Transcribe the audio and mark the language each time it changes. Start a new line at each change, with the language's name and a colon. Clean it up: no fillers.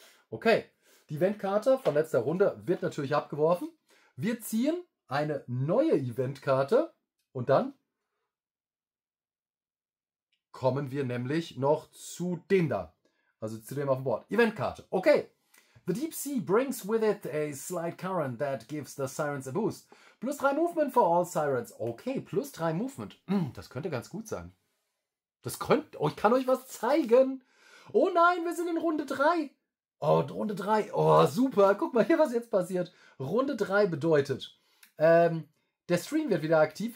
German: Okay, die Eventkarte von letzter Runde wird natürlich abgeworfen. Wir ziehen eine neue Eventkarte und dann kommen wir nämlich noch zu dem da. Also zu dem auf dem Board. Eventkarte. Okay.
English: The deep sea brings with it a slight current that gives the sirens a boost. +3 movement for all sirens. Okay, +3 movement.
German: Das könnte ganz gut sein. Oh, ich kann euch was zeigen. Oh nein, wir sind in Runde 3. Oh, Runde 3. Oh, super. Guck mal hier, was jetzt passiert. Runde 3 bedeutet, der Stream wird wieder aktiv.